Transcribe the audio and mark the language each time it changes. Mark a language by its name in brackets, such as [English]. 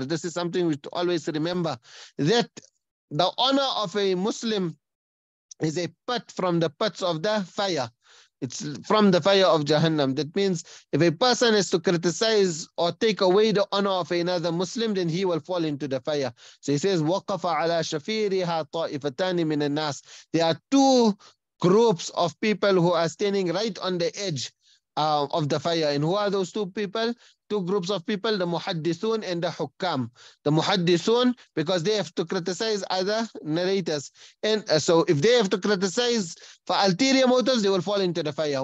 [English] This is something we should always remember, that the honor of a Muslim is a pit from the pits of the fire. It's from the fire of Jahannam. That means if a person is to criticize or take away the honor of another Muslim, then he will fall into the fire. [Arabic] So he says, وَقَفَ عَلَى شَفِيرِهَا طَائِفَتَانِ مِنَ النَّاسِ. [English] There are two groups of people who are standing right on the edge of the fire. And who are those two people? Two groups of people, the muhaddithun and the hukkam. The muhaddithun, because they have to criticize other narrators. And so if they have to criticize for ulterior motives, they will fall into the fire.